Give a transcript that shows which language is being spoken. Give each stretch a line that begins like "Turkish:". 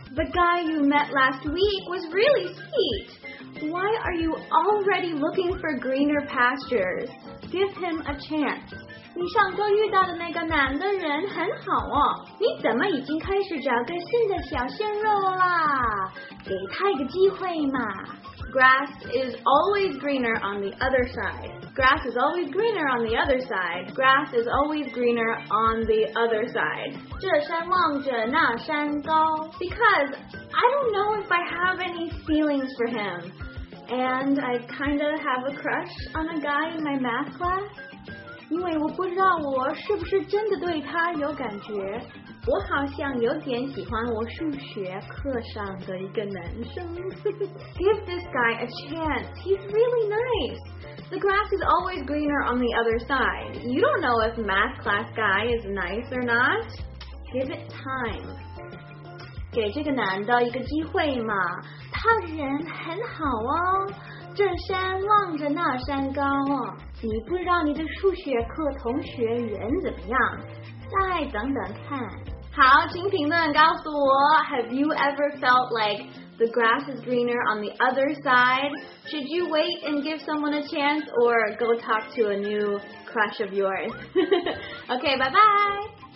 English: The guy you met last week was really sweet. Why are you already looking for greener pastures? Give him a chance.
Chinese: 你上周遇到的那个男的人很好哦，你怎么已经开始找个新的小鲜肉了啦？给他一个机会嘛。
English: Grass is always greener on the other side.
Chinese: 这山望着那山高。
English: Because I don't know if I have any feelings for him. And I kind of have a crush on a guy in my math class.
Chinese: 因为我不知道我是不是真的对他有感觉。我好像有点喜欢我数学课上的一个男生。
English: Give this guy a chance. He's really nice. The grass is always greener on the other side. You don't know if math class guy is nice or not. Give it time.
Chinese: 给这个男的一个机会嘛，他人很好哦，这山望着那山高哦。你不知道你的数学课同学人怎么样，再等等看。好，请评论告诉我，
English: Have you ever felt like the grass is greener on the other side? Should you wait and give someone a chance or go talk to a new crush of yours? Okay, bye-bye!